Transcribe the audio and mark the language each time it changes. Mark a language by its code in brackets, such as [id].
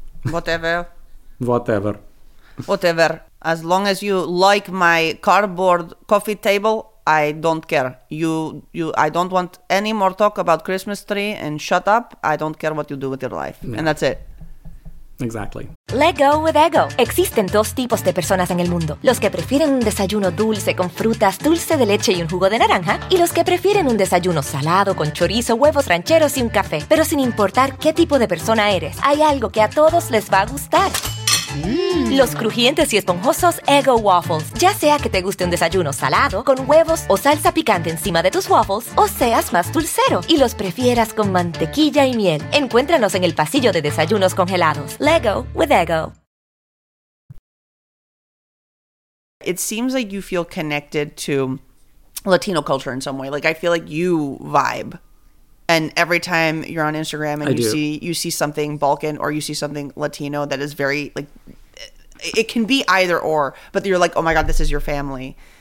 [en] Whatever. Whatever. Whatever. As long as you like my cardboard coffee table, I don't care. I don't want any more talk about Christmas tree and shut up. I don't care what you do with your life. Yeah. And that's it. Exactly. Let go with ego. [es] Existen dos tipos de personas en el mundo. Los que prefieren un desayuno dulce con frutas, dulce de leche y un jugo de naranja. Y los que prefieren un desayuno salado con chorizo, huevos rancheros y un café. Pero sin importar qué tipo de persona eres, hay algo que a todos les va a gustar. Los crujientes y esponjosos Eggo Waffles. Ya sea que te guste un desayuno salado con huevos o salsa picante encima de tus waffles, o seas más dulcero y los prefieras con mantequilla y miel. Encuéntranos en el pasillo de desayunos congelados. [en] Lego with Eggo. It seems like you feel connected to Latino culture in some way. Like I feel like you vibe. And every time you're on Instagram and you see something Balkan or you see something Latino that is very, like, it can be either or, but you're like, oh my God, this is your family.